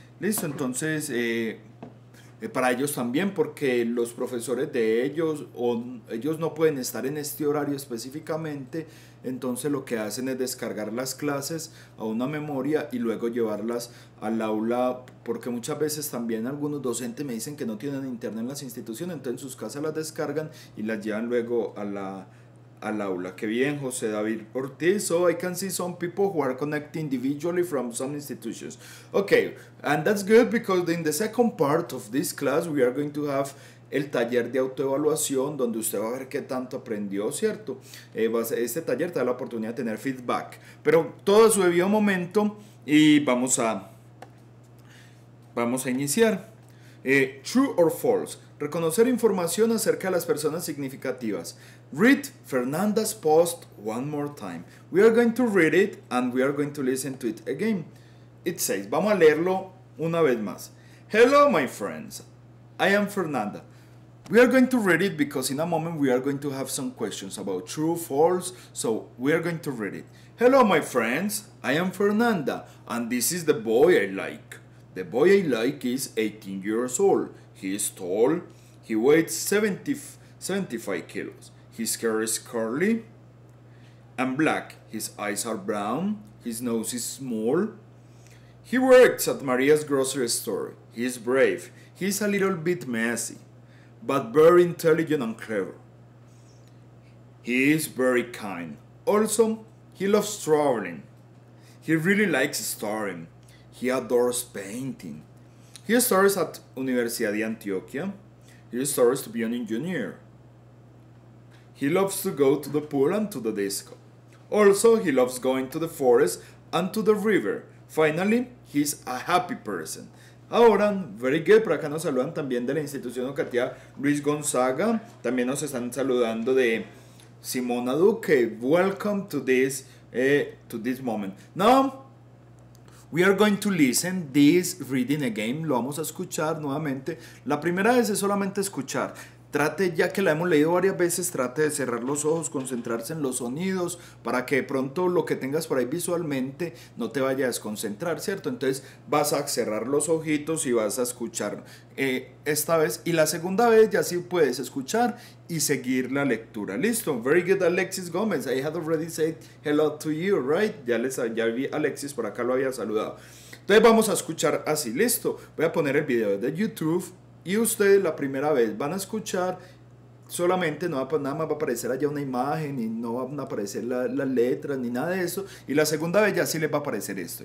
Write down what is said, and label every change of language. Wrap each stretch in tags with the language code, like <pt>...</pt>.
<es>Listo, entonces, para ellos también, porque los profesores de ellos, o ellos no pueden estar en este horario específicamente, entonces lo que hacen es descargar las clases a una memoria y luego llevarlas al aula, porque muchas veces también algunos docentes me dicen que no tienen internet en las instituciones, entonces en sus casas las descargan y las llevan luego al aula. Qué bien, José David Ortiz.</es> <en>So I can see some people who are connecting individually from some institutions. Okay, and that's good, because in the second part of this class we are going to have</en> <es>el taller de autoevaluación, donde usted va a ver qué tanto aprendió, ¿cierto? Este taller te da la oportunidad de tener feedback. Pero todo a su debido momento y vamos a iniciar.</es> <en>True or false?</en> <es>Reconocer información acerca de las personas significativas.</es> <en>Read Fernanda's post one more time. We are going to read it and we are going to listen to it again. It says,</en> <es>vamos a leerlo una vez más.</es> <en>Hello, my friends. I am Fernanda. We are going to read it because in a moment we are going to have some questions about true, false. So we are going to read it. Hello, my friends. I am Fernanda and this is the boy I like. The boy I like is 18 years old. He is tall. He weighs 75 kilos. His hair is curly and black. His eyes are brown. His nose is small. He works at Maria's grocery store. He is brave. He is a little bit messy, but very intelligent and clever. He is very kind. Also, he loves traveling. He really likes studying. He adores painting. He studies at Universidad de Antioquia. He studies to be an engineer. He loves to go to the pool and to the disco. Also, he loves going to the forest and to the river. Finally, he's a happy person.</en> <es>Ahora,</es> <en>very good,</en> <es>por acá nos saludan también de la Institución Educativa Luis Gonzaga. También nos están saludando de Simona Duque.</es> <en>Welcome to this moment. Now, We are going to listen this reading again.</en> <es>Lo vamos a escuchar nuevamente. La primera vez es solamente escuchar. Trate, ya que la hemos leído varias veces, trate de cerrar los ojos, concentrarse en los sonidos, para que de pronto lo que tengas por ahí visualmente no te vaya a desconcentrar, ¿cierto? Entonces vas a cerrar los ojitos y vas a escuchar esta vez. Y la segunda vez ya sí puedes escuchar y seguir la lectura. Listo.</es> <en>Very good, Alexis Gómez. I had already said hello to you, right?</en> <es>Ya vi Alexis, por acá lo había saludado. Entonces vamos a escuchar así. Listo. Voy a poner el video de YouTube. Y ustedes la primera vez van a escuchar solamente, no va, nada más va a aparecer allá una imagen y no van a aparecer la letra ni nada de eso. Y la segunda vez ya sí les va a aparecer esto.</es>